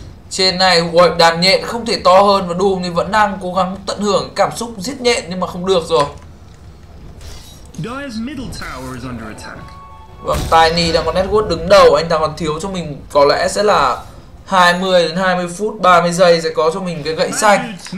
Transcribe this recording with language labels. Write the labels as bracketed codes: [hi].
[vi] Trên này đàn nhện không thể to hơn và Doom thì vẫn đang cố gắng tận hưởng cảm xúc giết nhện nhưng mà không được rồi. [en] Dire's middle tower is under attack. [vi] Vâng, Tiny đang có network đứng đầu, anh ta còn thiếu cho mình có lẽ sẽ là 20 đến 20 phút 30 giây sẽ có cho mình cái gậy xanh.